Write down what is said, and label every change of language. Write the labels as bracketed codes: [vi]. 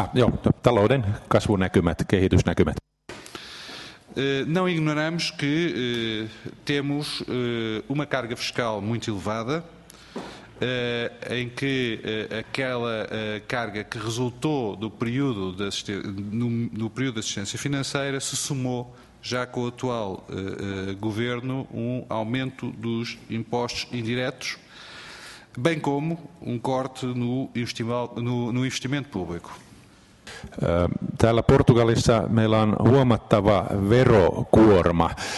[fi] Ah, joo, talouden kasvunäkymät, kehitysnäkymät. [pt] Não ignoramos que temos uma carga fiscal muito elevada, em que aquela carga que resultou do período de período de assistência financeira se somou já com o atual governo um aumento dos impostos indiretos, bem como um corte no investimento público. [fi] Täällä Portugalissa meillä on huomattava verokuorma.